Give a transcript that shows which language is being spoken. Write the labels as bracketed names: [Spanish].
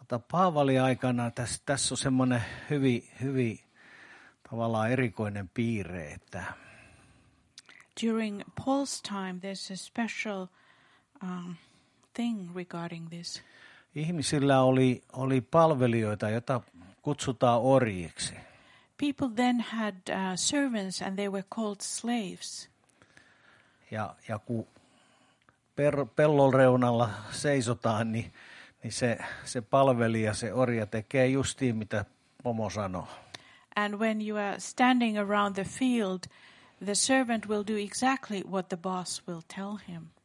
[Finnish] Paavali aikana tässä on semmoinen hyvin tavallaan erikoinen piirre, että [English] during Paul's time there's a special thing regarding this. [Finnish] Ihmisillä oli palvelijoita, jota kutsutaan orjiksi. [English] People then had servants and they were called slaves. [Finnish] Ja kun pellon reunalla seisotaan, niin se palvelija, se orja tekee justiin mitä pomo sanoo. [English] And when you are standing around the field, the servant will do exactly what the boss will tell him.